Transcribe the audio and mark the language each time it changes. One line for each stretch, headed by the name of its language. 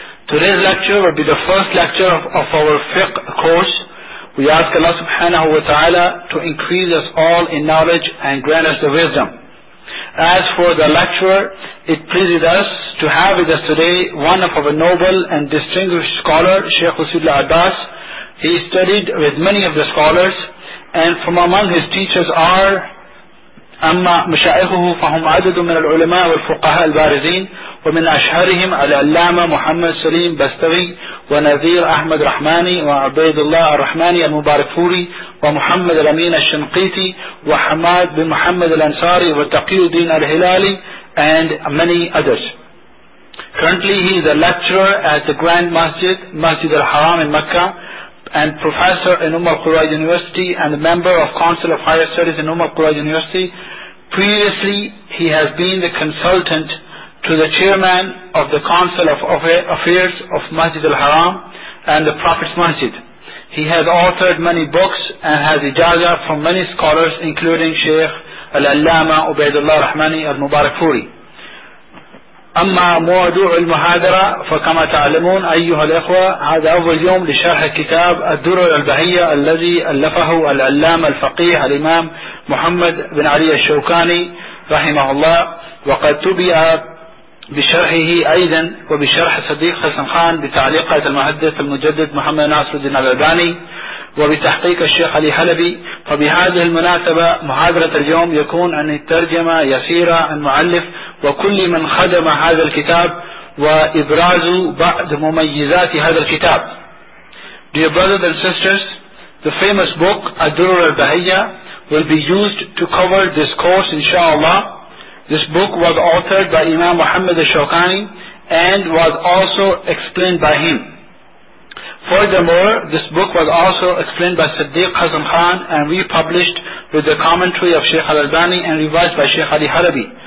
English: Today's lecture will be the first lecture of our fiqh course. We ask Allah subhanahu wa ta'ala to increase us all in knowledge and grant us the wisdom. As for the lecturer, it pleases us to have with us today one of our noble and distinguished scholar, Sheikh Usudullah Abbas. He studied with many of the scholars, and from among his teachers are
Arabic: أَمَّا مُشَائِخُهُ فَهُمْ عَدَدٌ مِنَ الْعُلَمَاءِ وَالْفُقَهَاءِ الْبَارِزِينَ وَمِنْ أَشْهَرِهِمْ الْعَلَّامَةُ مُحَمَّدُ سَلِيمُ بَسْتَوِي وَنَذِيرُ أَحْمَدُ رَحْمَانِي وَعُبَيْدُ اللَّهِ الرَّحْمَانِي الْمُبَارِكُورِي ومحمد الأمين الشنقيطي وحماد بن محمد الأنصاري وتقي الدين الهلالي
English: and many others. Currently he is a lecturer at the Grand Masjid, Masjid al-Haram in Mecca, and professor in Umm al-Qura University and a member of Council of Higher Studies in Umm al-Qura University. Previously he has been the consultant to the chairman of the Council of Affairs of Masjid al-Haram and the Prophet's Masjid. He has authored many books and has ijaza from many scholars, including Sheikh Al-Allama Ubaidullah Rahmani Al-Mubarakfuri.
Arabic: أما موضوع المحاضرة فكما تعلمون أيها الأخوة، هذا أول يوم لشرح كتاب الدرر البهية الذي ألفه العلامة الفقيه الإمام محمد بن علي الشوكاني رحمه الله، وقد تبئ بشرحه أيضا وبشرح صديق حسن خان بتعليقة المحدث المجدد محمد ناصر الدين الألباني وبتحقيق الشيخ علي حلبي. فبهذه المناسبة محاضرة اليوم يكون عن الترجمة يسيرة عن المؤلف وكل من خدم هذا الكتاب وإبراز بعض مميزات هذا الكتاب.
English: Dear brothers and sisters, the famous book الدرر البهية will be used to cover this course inshallah. This book was authored by Imam Muhammad al-Shawqani and was also explained by him. Furthermore, this book was also explained by Siddiq Hasan Khan and republished with the commentary of Sheikh Al-Albani and revised by Sheikh Ali Harabi.